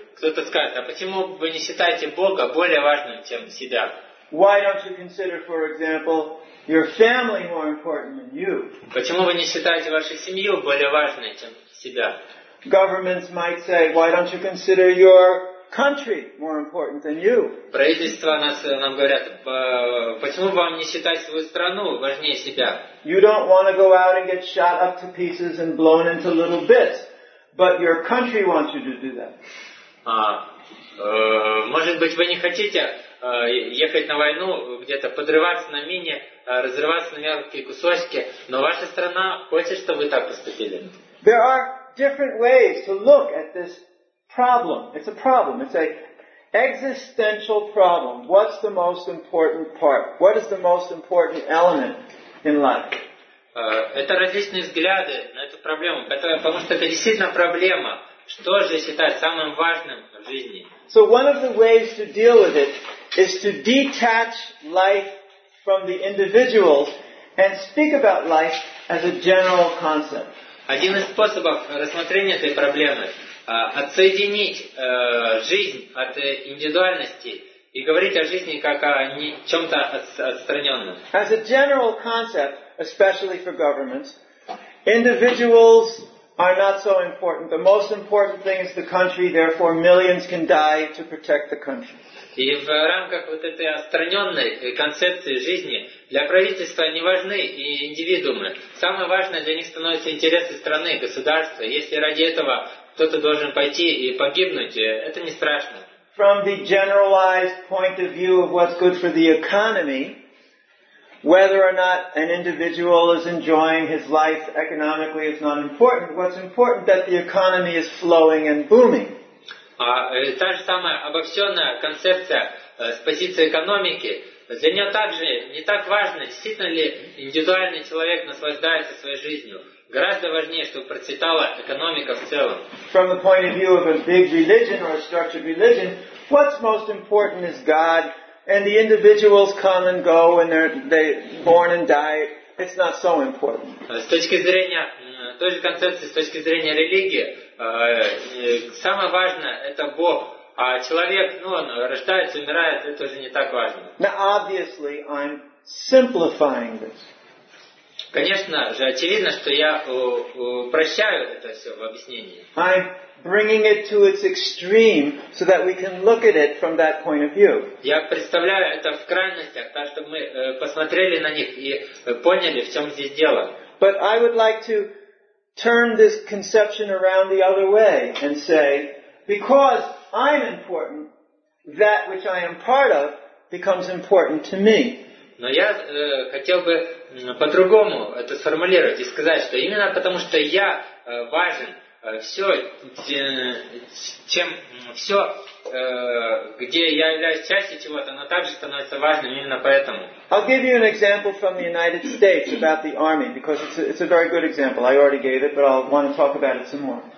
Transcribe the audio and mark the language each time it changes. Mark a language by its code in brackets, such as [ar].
[ru] Кто-то скажет, а почему вы не считаете Бога более важным, чем себя? [en] Why don't you consider, for example, your family more important than you? [ru] Почему вы не считаете вашу семью более важной, чем себя? [en] Governments might say, why don't you consider your country more important than you? [ru] Правительства нам говорят, почему вам не считать свою страну важнее себя? [en] You don't want to go out and get shot up to pieces and blown into little bits, but your country wants you to do that. [ru] Может быть, вы не хотите ехать на войну, где-то подрываться на мине, разрываться на мелкие кусочки, но ваша страна хочет, чтобы вы так поступили. [en] There are different ways to look at this problem. It's a problem. It's an existential problem. What's the most important part? What is the most important element in life? [ru] Это различные взгляды на эту проблему, потому что это действительно проблема. Что же считать самым важным в жизни? [en] So one of the ways to deal with it is to detach life from the individuals and speak about life as a general concept. [ru] Один из способов рассмотрения этой проблемы – отсоединить жизнь от индивидуальности и говорить о жизни как о чем-то отстраненном. [en] As a general concept, especially for governments, individuals are not so important. The most important thing is the country, therefore millions can die to protect the country. [ru] И в рамках вот этой отстраненной концепции жизни для правительства не важны и индивидуумы. Самое важное для них становятся интересы страны, государства. Если ради этого кто-то должен пойти и погибнуть, это не страшно. [en] From the generalized point of view of what's good for the economy, whether or not an individual is enjoying his life economically is not important. What's important is that the economy is flowing and booming. [ru] Та же самая обобщенная концепция с позиции экономики, для нее также не так важно, действительно ли индивидуальный человек наслаждается своей жизнью. Гораздо важнее, чтобы процветала экономика в целом. [en] From the point of view of a big religion or a structured religion, what's most important is God, and the individuals come and go, and they're born and die. It's not so important. [ru] С точки зрения той же концепции, с точки зрения религии, самое важное – это Бог. А человек, ну, он рождается, умирает, это уже не так важно. [en] Now, obviously, I'm simplifying this. [ru] Конечно же, очевидно, что я упрощаю это все в объяснении. [en] I'm bringing it to its extreme so that we can look at it from that point of view. [ru] Я представляю это в крайностях, так чтобы мы посмотрели на них и поняли, в чем здесь дело. [en] But I would like to turn this conception around the other way and say, because I'm important, that which I am part of becomes important to me. [ru] Но я хотел бы по-другому это сформулировать и сказать, что именно потому, что я важен, все, где я являюсь частью чего-то, оно также становится важным именно поэтому. [en] I'll give you an example from the United States about the army, because it's a very good example. I already gave it, but I'll want to talk about it some more.